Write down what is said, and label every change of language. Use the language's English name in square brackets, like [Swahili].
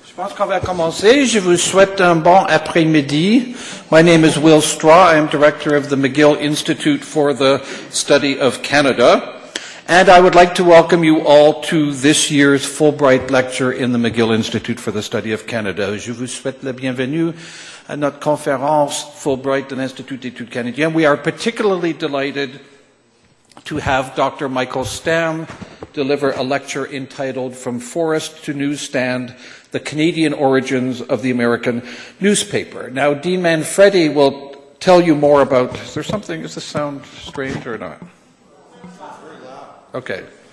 [French] Je pense qu'on va commencer. Je vous souhaite un bon après-midi. [English] My name is Will Straw. I am director of the McGill Institute for the Study of Canada. And I would like to welcome you all to this year's Fulbright Lecture in the McGill Institute for the Study of Canada. [French] Je vous souhaite la bienvenue à notre conférence Fulbright de l'Institut d'études canadiennes. [English] We are particularly delighted to have Dr. Michael Stamm deliver a lecture entitled From Forest to Newsstand, The Canadian Origins of the American Newspaper. Now, Dean Manfredi will tell you more about... Is there something? Is this sound strange or not? Okay.